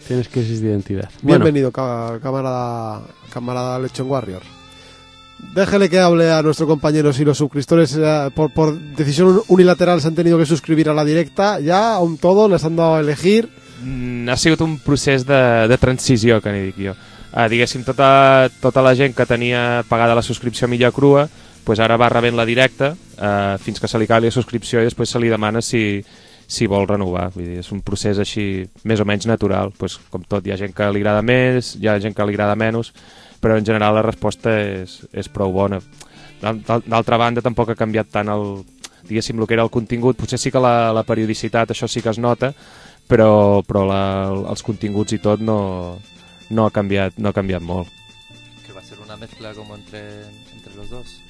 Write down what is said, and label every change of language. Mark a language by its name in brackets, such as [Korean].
[Spanish] Tienes crisis de identidad. Bienvenido, bueno. camarada Lechon Warrior. Déjele que hable a nuestro compañero. Si los suscriptores por decisión unilateral se han tenido que suscribir a la directa, ya aún todo les han dado a elegir. [Catalan] Ha sigut un procés de transició, que n'hi dic jo. Diguéssim, tota la gent que tenia pagada la subscripció a Illacruz, pues ara va rebent la directa fins que se li cali la subscripció, i després se li demana si vol renovar. Vull dir, és un procés així més o menys natural. Pues, com tot, hi ha gent que li agrada més, hi ha gent que li agrada menys, però en general la resposta és prou bona. D'altra banda, tampoc ha canviat tant diguéssim, el que era el contingut. Potser sí que la periodicitat, això sí que es nota, però els continguts i tot no ha canviat molt. Que va ser una mescla com entre los dos.